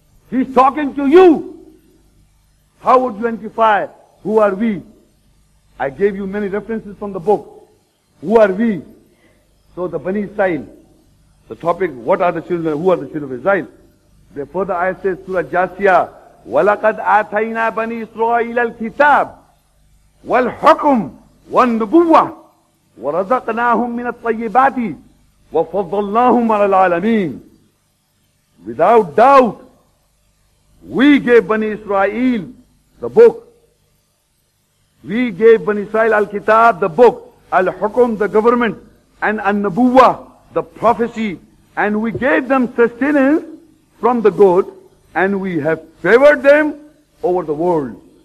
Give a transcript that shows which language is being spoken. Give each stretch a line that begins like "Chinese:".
English: He's talking to you. How would you identify who are we? I gave you many references from the book. Who are we? So the Bani Israel. The topic, what are the children, who are the children of Israel? The further ayah says, Surah Jasiyah,
Arabic: ولقد آتينا بني إسرائيل الكتاب والحكم والنبوة ورزقناهم من الطيبات وفضلناهم على العالمين.
English: Without doubt, we gave Bani Israel the book. We gave Bani Israel al-Kitab, the book, al-Hukum, the government, and al-Nabuwah, the prophecy. And we gave them sustenance from the good, and we have favored them over the world.